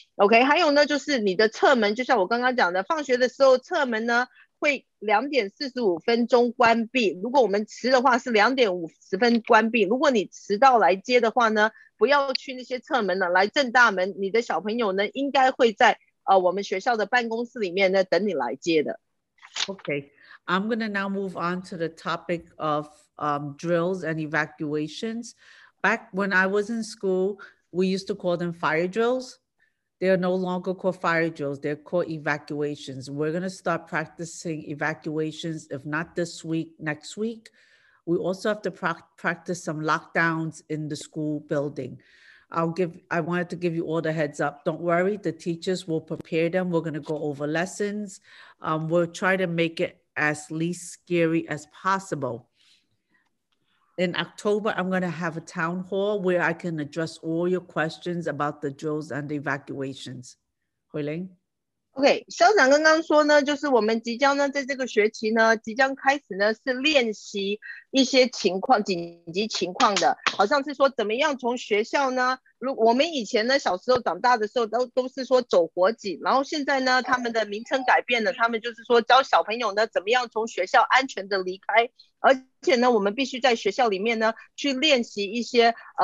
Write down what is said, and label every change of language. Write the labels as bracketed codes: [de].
[zh] OK， 还有呢，就是你的侧门，就像我刚刚讲的，放学的时候侧门呢会2:45关闭。如果我们迟的话是2:50关闭。如果你迟到来接的话呢？不要去那些侧门了，来正大门，你的小朋友呢应该会在我们学校的办公室里面呢等你来接的。 [en] Okay, I'm gonna now move on to the topic of drills and evacuations. Back when I was in school, we used to call them fire drills. They are no longer called fire drills, they're called evacuations. We're gonna start practicing evacuations, if not this week, next week. We also have to practice some lockdowns in the school building. I wanted to give you all the heads up. Don't worry, the teachers will prepare them. We're going to go over lessons. We'll try to make it as least scary as possible. In October, I'm going to have a town hall where I can address all your questions about the drills and the evacuations. Hui Ling? [zh] OK, 校长刚刚说呢，就是我们即将呢在这个学期呢即将开始呢是练习一些情况，紧急情况的，好像是说怎么样从学校呢，如我们以前呢小时候长大的时候都是说走火警，然后现在呢他们的名称改变了，他们就是说教小朋友呢怎么样从学校安全的离开，而且呢我们必须在学校里面呢去练习一些